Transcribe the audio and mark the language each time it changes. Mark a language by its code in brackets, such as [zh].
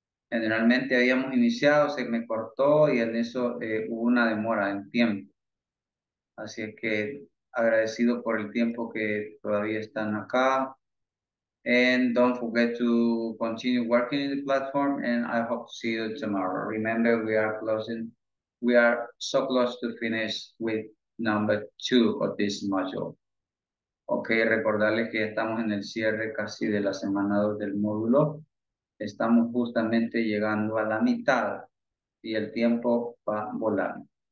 [es] Generalmente habíamos iniciado, se me cortó y en eso hubo una demora en tiempo. Así es que agradecido por el tiempo que todavía están acá. [en] And don't forget to continue working in the platform, and I hope to see you tomorrow. Remember, we are closing, we are so close to finish with number 2 of this module. [es] Okay, recordarles que estamos en el cierre casi de la semana 2 del módulo. Estamos justamente llegando a la mitad y el tiempo va volando.